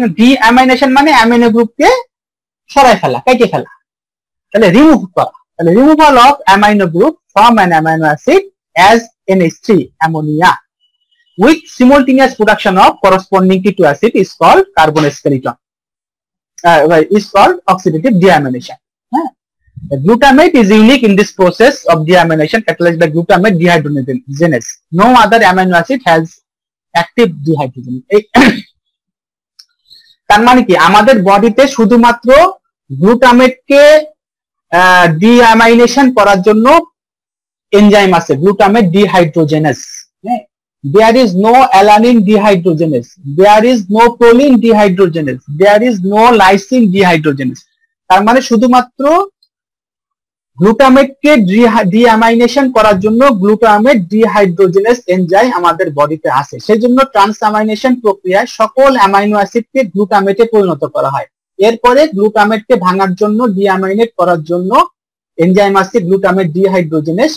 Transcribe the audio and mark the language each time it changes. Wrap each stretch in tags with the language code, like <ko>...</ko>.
<bn>ডিঅ্যামাইনেশন মানে অ্যামিনো গ্রুপকে সরাই ফেলা, কেটে ফেলা, তাহলে রিমুভ করা,</bn> <en>তাহলে removal of amino group from an amino acid as NH3 ammonia with simultaneous production of corresponding to acid is called carbon skeleton, is called oxidative deamination. Glutamate is unique in this process of deamination catalyzed by glutamate dehydrogenase. No other amino acid has active dehydrogenase.</en> <bn>তার মানে কি আমাদের বডিতে শুধুমাত্র গ্লুটামেটকে ডিঅ্যামাইনেশন করার জন্য enzyme আছে, glutamate dehydrogenase.</bn> <en>There is no alanine dehydrogenase, there is no proline dehydrogenase, there is no lysine dehydrogenase.</en> <bn>তার মানে শুধুমাত্র গ্লুটামেটকে ডিঅ্যামাইনেশন করার জন্য গ্লুটামেট ডিহাইড্রোজেনেস এনজাইম আমাদের বডিতে আছে। সেই জন্য ট্রান্সঅ্যামাইনেশন প্রক্রিয়ায় সকল অ্যামাইনো অ্যাসিডকে গ্লুটামেটে পরিণত করা হয়, এরপরে গ্লুটামেটকে ভাঙার জন্য ডিঅ্যামাইনেট করার জন্য এনজাইম আছে গ্লুটামেট ডিহাইড্রোজেনেস।</bn>